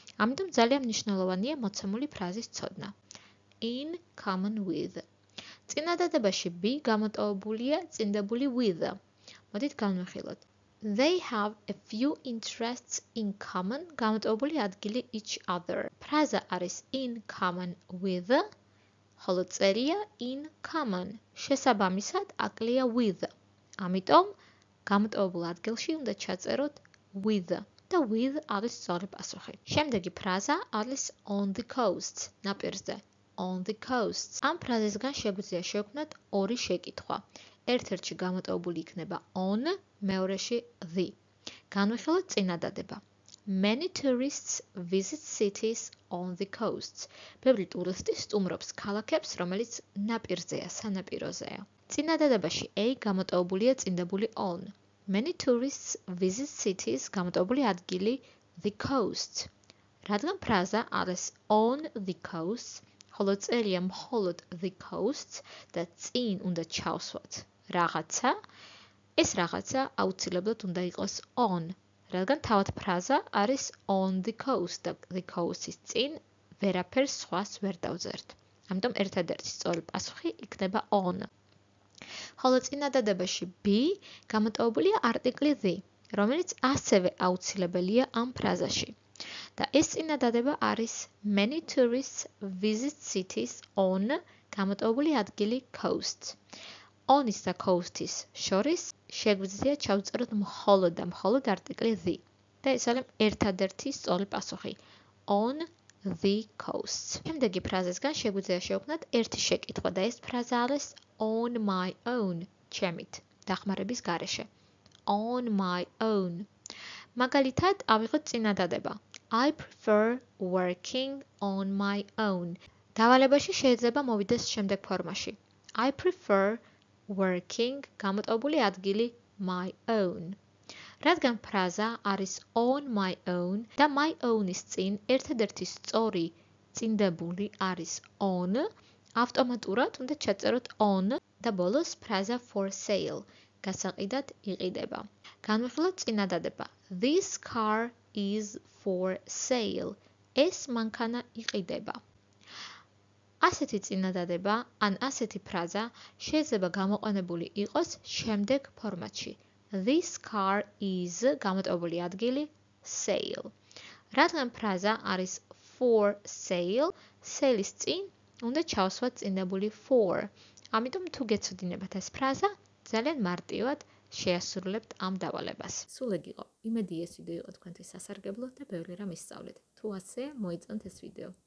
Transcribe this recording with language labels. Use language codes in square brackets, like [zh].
[ka] ამიტომ ძალიან მნიშვნელოვანია მოცემული ფრაზის ცოდნა. [en] In common with. [ka] წინადადებაში B გამოტოვებულია წინდებული with. მოდით განვიხილოთ. [en] They have a few interests in common, [ka] გამოტოვებული ადგილი [en] each other. [ka] ფრაზა არის [en] in common with, [ka] ხოლო წერია [en] in common. [ka] შესაბამისად აკლია with. ამიტომ გამოტოვებულ ადგილში უნდა ჩაწეროთ with. და with არის სწორი პასუხი. შემდეგი ფრაზა არის [en] on the coast, [ka] ნაპირზე. [en] On the coast. [ka] ამ ფრაზისგან შეგვიძლია შევქმნათ ორი შეკითხვა. ერთ-ერთში გამოტოვებული იქნება on, მეორეში the. განვიხილოთ წინადადება. [en] Many tourists visit cities on the coast. [ka] ბევრი ტურისტი სტუმრობს ქალაქებს, რომელიც ნაპირზეა, სანაპიროზეა. წინადადებაში A გამოტოვებულია წინდებული on. [en] Many tourists visit cities, [ka] გამოტოვებული ადგილი [en] the coast. [ka] რადგან ფრაზა არის [en] on the coast, [ka] ხოლო წერია მხოლოდ [en] the coast [ka] და წინ უნდა ჩავსვათ რაღაცა, ეს რაღაცა აუცილებლად უნდა იყოს on, რადგან თავად ფრაზა არის on the coast და the coast-ის წინ ვერაფერს სხვას ვერ დავწერთ. ამიტომ ერთადერთი სწორი პასუხი იქნება on. ხოლო წინადადებაში B გამოტოვებულია არტიკლი the, რომელიც ასევე აუცილებელია ამ ფრაზაში. Da ეს წინადადება არის [en] many tourists visit cities on, [ka] გამოტოვებული ადგილი coast. On-ის და coast-ის შორის შეგვიძლია ჩავწეროთ მხოლოდ და მხოლოდ არტიკლი the. Da ეს არის ერთადერთი სწორი პასუხი. [en] On the coast. [ka] შემდეგი ფრაზისგან შეგვიძლია შევქნათ ერთი შეკითხვა და ეს ფრაზა არის [en] on my own, [ka] ჩემით, დახმარების გარეშე. [en] On my own. [ka] მაგალითად, ავიღოთ წინადადება. [en] I prefer working on my own. [ka] დავალებაში შეიძლება მოვიდეს შემდეგ ფორმაში. [en] I prefer working, [ka] გამოტოვებული ადგილი [en] my own. [ka] რადგან ფრაზა არის [en] on my own [ka] და my own-ის წინ ერთადერთი სწორი წინდებული არის on, ავტომატურად უნდა ჩაწეროთ on და ბოლოს ფრაზა [en] for sale, [ka] გასაყიდად იყიდება. განვიხილოთ წინადადება. [en] This car is for sale. [ka] ეს მანქანა იყიდება. ასეთი წინადადება, ან ასეთი ფრაზა შეიძლება გამოყენებული იყოს შემდეგ ფორმატში. [en] This car is, [ka] გამოტოვებული ადგილი, [en] sale. [ka] რადგან ფრაზა არის [en] for sale, [ka] sale-ის წინ უნდა ჩავსვათ წინდებული for. ამიტომ თუ გეცოდინებათ ეს ფრაზა, ძალიან მარტივად შეასრულებთ ამ დავალებას. სულ ეგ იყო. იმედი ეს ვიდეო იყო თქვენთვის სასარგებლო და ბევრი რამ ისწავლეთ. თუ ასეა, მოიწონთ ეს ვიდეო.